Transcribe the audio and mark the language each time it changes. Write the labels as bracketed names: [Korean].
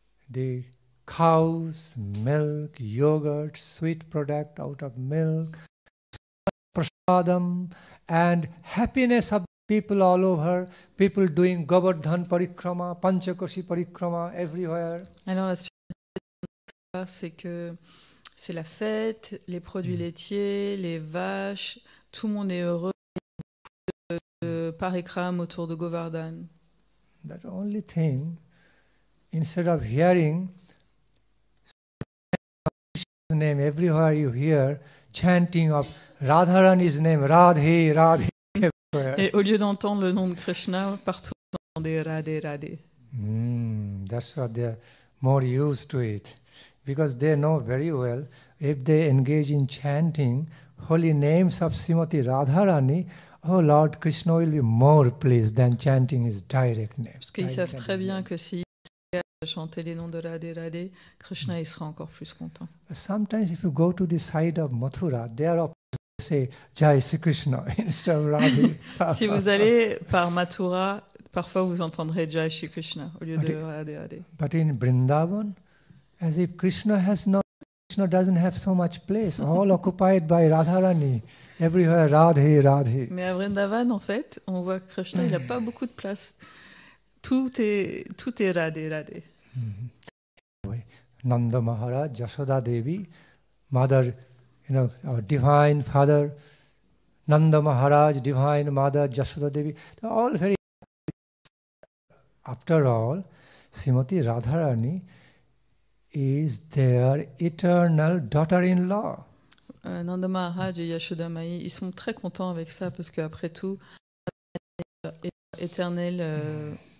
[English] the cow's milk, yogurt, sweet product out of milk, prasadam, and happiness of people all over, people doing Govardhan Parikrama, Panchakoshi Parikrama, everywhere. [French] Alors la spécificité, c'est que c'est la fête, les produits laitiers, les vaches, tout le monde est heureux de Parikrama autour de Govardhan. [English] That only thing, instead of hearing Krishna's name everywhere you hear, chanting of Radharani's name, Radhe, Radhe. [French] Et au lieu d'entendre le nom de Krishna partout, vous entendez Radhe Radhe. [English] That's why they're more used to it, because they know very well if they engage in chanting holy names of Srimati Radharani, oh Lord Krishna will be more pleased than chanting his direct name. [French] Parce qu'ils savent très bien que s'ils chantent les noms de Radhe Radhe, Krishna il sera encore plus content. [English] Sometimes if you go to the side of Mathura, they are say Jai Sri Krishna instead of Radhe. [French] Si vous allez par Mathura, parfois vous entendrez Jai Sri Krishna au lieu de Radhe Radhe. [English] But in Vrindavan, as if Krishna doesn't have so much place, all occupied by Radharani, everywhere Radhe Radhe. [French] Mais à Vrindavan, en fait, on voit que Krishna, il n'a pas beaucoup de place. Tout est Radhe Radhe. [English] Nanda Maharaj, Yashoda Devi, Mother. You know, our divine father, Nanda Maharaj, divine mother, Yashoda Devi, they're all very happy. After all, Srimati Radharani is their eternal daughter-in-law. [French] Nanda Maharaj et Yashoda Mai, ils sont très contents avec ça, parce qu'après tout, éternel...